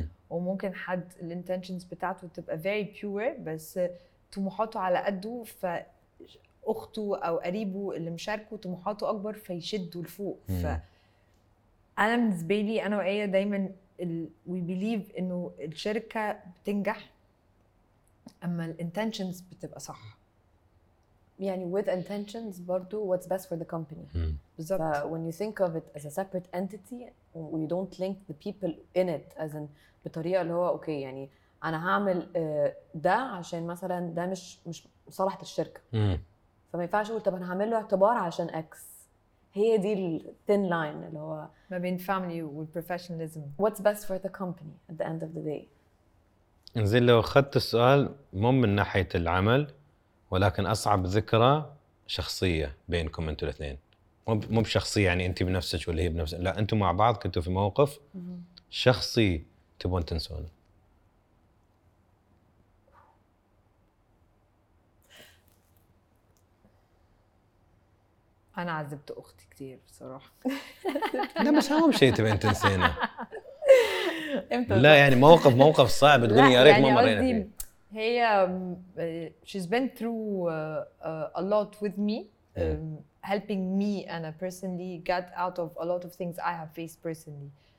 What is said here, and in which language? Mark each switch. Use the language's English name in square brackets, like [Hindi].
[Arabic] وممكن حد الانتنجنز بتاعته تبقى [English] very pure [Arabic] بس طموحاته على قده، فأخته أو قريبه اللي مشاركه طموحاته أكبر فيشده لفوق. فأنا بالنسبة لي أنا وآية دايما [English] we believe [Arabic] إنه الشركة بتنجح أما الintentions بتبقى صح، [English] يعني with intentions [Arabic] برضو [English] what's best for the company. [Arabic] بالضبط. [English] When you think of it as a separate entity and you don't link the people in it as in [Arabic] بطريقة اللي هو أوكي يعني أنا هعمل ده عشان مثلا ده مش صلحة الشركة، فما ينفعش أقول طب أنا هعمل له اعتبار عشان X. هي دي ال [English] thin line [Arabic] اللي هو ما بين [English] family and professionalism. What's best for the company at the end of the day. [Arabic] إنزين لو أخذت السؤال مو من ناحية العمل، ولكن أصعب ذكرى شخصية بينكم أنتوا الاثنين، مو بشخصية يعني أنت بنفسك ولا هي بنفسك، لا أنتوا مع بعض كنتوا في موقف شخصي تبون تنسونه. أنا عذبت أختي كتير بصراحة. لا مش هم شيء تبين تنسينه. لا يعني موقف صعب تقولي يا ريت ما مرينا فيه. [English] هي she's been through a lot with me helping me and I personally get out of a lot of things I have faced personally.